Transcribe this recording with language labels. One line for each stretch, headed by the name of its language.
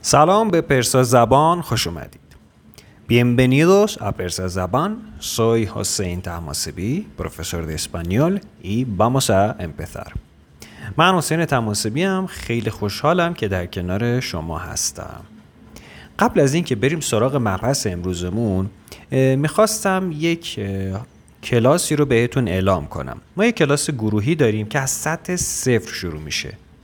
Persian: سلام به پرسا زبان، خوش اومدید.
Spanish: Bienvenidos a Persa Zaban. Soy José Tahmasebi, profesor de español y vamos a empezar.
Persian: من حسین تماسبی ام، خیلی خوشحالم که در کنار شما هستم. قبل از اینکه بریم سراغ مبحث امروزمون، می‌خواستم یک کلاسی رو بهتون اعلام کنم. ما یک کلاس گروهی داریم که از سطح صفر شروع میشه.